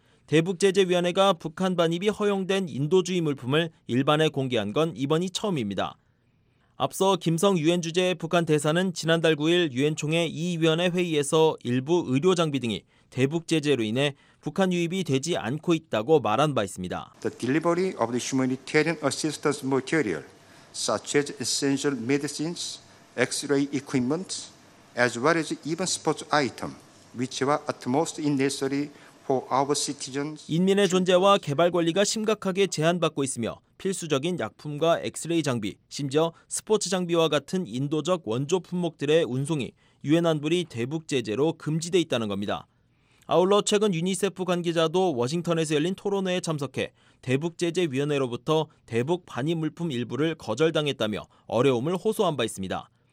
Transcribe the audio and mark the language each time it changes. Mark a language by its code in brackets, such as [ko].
[ko] 대북제재위원회가 북한 반입이 허용된 인도주의 물품을 일반에 공개한 건 이번이 처음입니다. 앞서 김성 유엔 주재 북한 대사는 지난달 9일 유엔총회 이 위원회 회의에서 일부 의료 장비 등이 대북제재로 인해 북한 유입이 되지 않고 있다고 말한 바 있습니다. [en] The delivery of the humanitarian assistance material such as essential medicines, x-ray equipment, as well as even sports items, which are at most necessary for our citizens. [ko] 인민의 존재와 개발 권리가 심각하게 제한받고 있으며 필수적인 약품과 x-ray 장비, 심지어 스포츠 장비와 같은 인도적 원조 품목들의 운송이 유엔 안보리 대북 제재로 금지돼 있다는 겁니다. 아울러 최근 유니세프 관계자도 워싱턴에서 열린 토론회에 참석해 대북제재위원회로부터 대북 반입 물품 일부를 거절당했다며 어려움을 호소한 바 있습니다.